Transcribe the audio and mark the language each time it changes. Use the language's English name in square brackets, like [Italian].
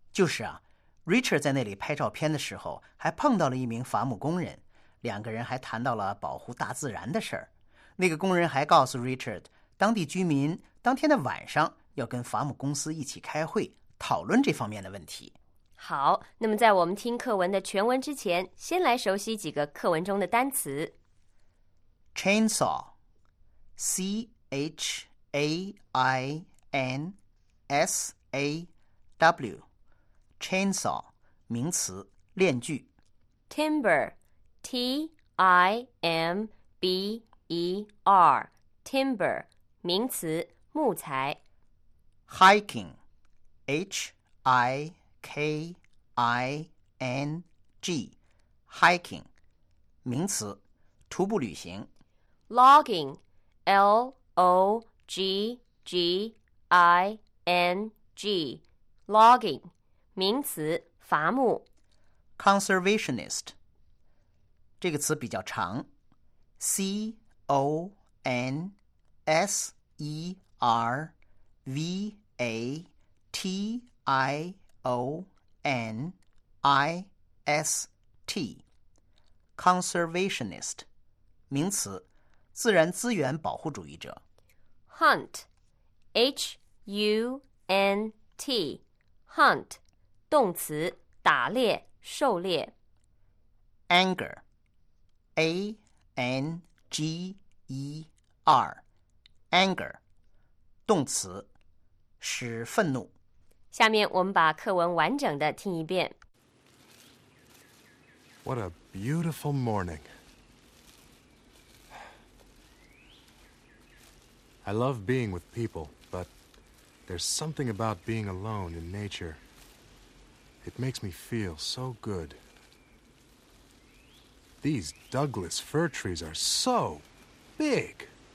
[Chinese] 就是啊， Richard 在那里拍照片的时候还碰到了一名伐木工人，两个人还谈到了保护大自然的事儿。那个工人还告诉 Richard， 当地居民当天的晚上要跟伐木公司一起开会，讨论这方面的问题。好，那么在我们听课文的全文之前，先来熟悉几个课文中的单词。 Chainsaw， C-H-A-I-N-S-A-W， Chainsaw， 名词，链锯。 Timber，T-I-M-B-E-R， Timber， 名词，木材。 Hiking， H-I-K-I-N-G， Hiking， 名词，徒步旅行。 Logging， L-O-G-G-I-N-G， Logging， 名词，伐木。 Conservationist，这个词比较长 ,C-O-N-S-E-R-V-A-T-I-O-N-I-S-T Conservationist， 名词，自然资源保护主义者。 Hunt， H-U-N-T， Hunt， 动词，打猎，狩猎。 AngerA-N-G-E-R Anger 动词使愤怒。下面我们把课文完整的听一遍。 [English] What a beautiful morning. I love being with people, but there's something about being alone in nature. It makes me feel so goodThese Douglas fir trees are so big.